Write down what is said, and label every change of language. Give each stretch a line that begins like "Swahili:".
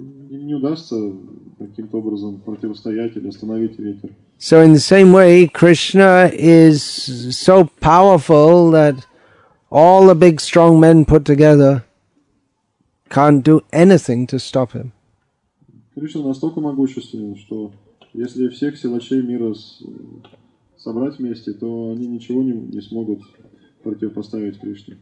Russian: Не удастся каким-то образом противостоять или остановить ветер.
English: So in the same way, Krishna is so powerful that all the big strong men put together can't do anything to stop him.
Russian: Кришна настолько могущественен, что если всех силачей мира собрать вместе, то они ничего не смогут противопоставить Кришне.